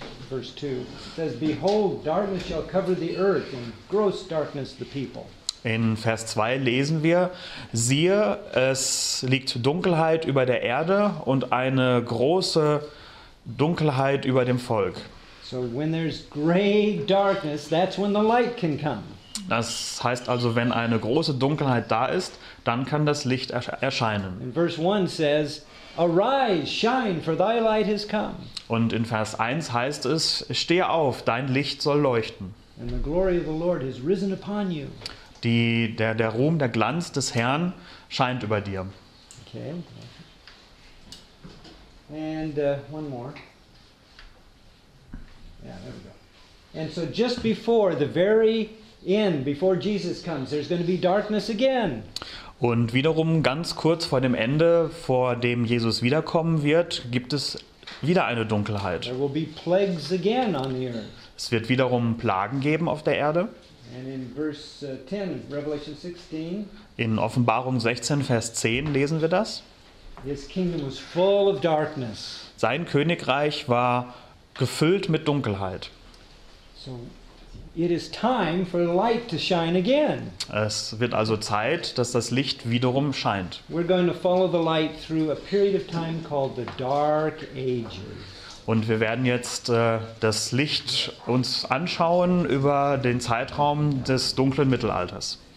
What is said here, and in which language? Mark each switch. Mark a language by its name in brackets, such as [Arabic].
[English] Verse 2 says, "Behold, darkness shall cover the earth, and gross darkness the people." [German] In Vers 2 lesen wir, siehe, es liegt Dunkelheit über der Erde und eine große Dunkelheit über dem Volk. [English] So when there's gray darkness, that's when the light can come. [German] Das heißt also, wenn eine große Dunkelheit da ist, dann kann das Licht erscheinen. [English] In Verse 1 says, arise, shine, for thy light has come. [German] Und in Vers 1 heißt es, steh auf, dein Licht soll leuchten. [English] And the glory of the Lord has risen upon you. [German] Der Ruhm, der Glanz des Herrn scheint über dir. [English] Okay. And one more. Yeah, there we go. And so just before the very end, before Jesus comes, there's going to be darkness again. [German] Und wiederum ganz kurz vor dem Ende, vor dem Jesus wiederkommen wird, gibt es wieder eine Dunkelheit. [English] There will be plagues again on the earth. [German] Es wird wiederum Plagen geben auf der Erde. [English] And in verse 10, Revelation 16, [German] in Offenbarung 16, Vers 10 lesen wir das. [English] His kingdom was full of darkness. [German] Sein Königreich war gefüllt mit Dunkelheit. [English] So it is time for light to shine again. [German] Es wird also Zeit, dass das Licht wiederum scheint. [English] We're going to follow the light through a period of time called the Dark Ages. [German] Und wir werden jetzt das Licht uns anschauen über den Zeitraum des dunklen Mittelalters.